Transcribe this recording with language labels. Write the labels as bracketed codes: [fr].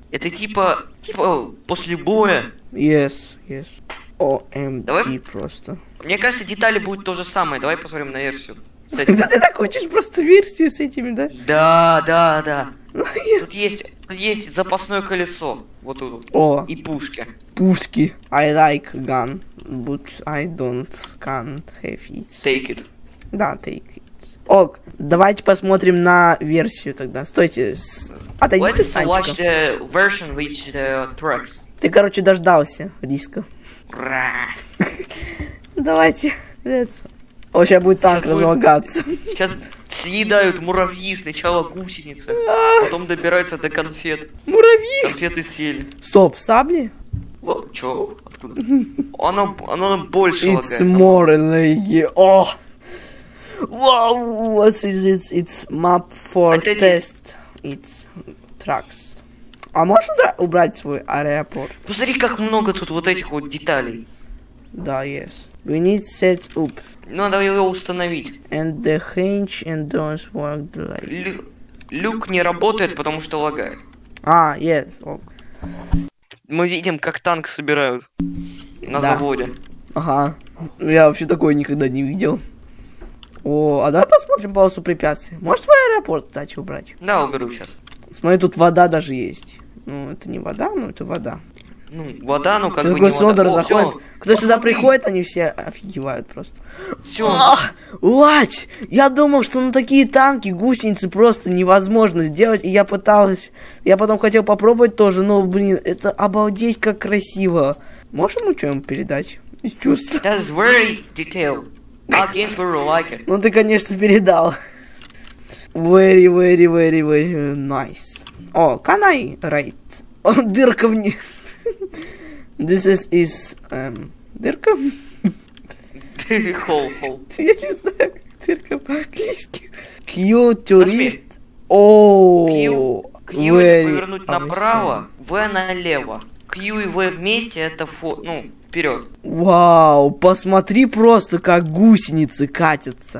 [ru] это типа после боя. [en] Yes, yes. OMG [ru] давай... просто. Мне кажется, детали будут то же самое. Давай посмотрим на версию. Да ты так хочешь просто версию с этими, да? Да, да, да. Тут есть запасное колесо. Вот тут. О. И пушки. Пушки. [en] I like gun, but I don't can have it. Take it. Да, take it. [ru] Ок, давайте посмотрим на версию тогда. Стойте, отойдите с танчика. [en] Watch the version with the tracks. [ru] Ты, короче, дождался диска. Ура! Давайте. О, сейчас будет танк разлагаться. Сейчас съедают муравьи, сначала гусеницы, потом добираются до конфет. Муравьи? Конфеты съели. Стоп, сабли? О, чё? Откуда? Оно больше лагает. [en] It's more like... Ох! Wow, what is it? It's map for это test. It's trucks. [ru] А можешь убрать свой аэропорт? Посмотри, как много тут вот этих вот деталей. [en] Да, yes. We need set up. [ru] Надо его установить. [en] And the hinge and don't work the light. [ru] Люк не работает, потому что лагает. [en] А, yes. Okay. [ru] Мы видим, как танк собирают на да. заводе. Ага. Я вообще такое никогда не видел. О, а давай посмотрим полосу препятствий. Может твой аэропорт дачу убрать? Да, уберу сейчас. Смотри, тут вода даже есть. Ну, это не вода, но это вода. Ну, вода, ну как что бы такое не вода. О, заходит. Всё. Кто посмотри. Сюда приходит, они все офигевают просто. Все. Лать! Я думал, что на такие танки гусеницы просто невозможно сделать, и я пыталась. Я потом хотел попробовать тоже, но, блин, это обалдеть как красиво. Можешь ему что-нибудь передать? Из чувств. [en] That's very detailed. I'll get where you like it. [ru] Ну ты, конечно, передал. [en] Very, very, very, very nice. [ru] О, [en] can I write? [ru] Он дырка вне. [en] This is дырка? Hole. [ru] Я не знаю, как дырка по-английски. [en] Q to Let's lift. О, Q. [ru] Q повернуть направо, V налево. Q и V вместе это ну, вперед. Вау, посмотри просто, как гусеницы катятся.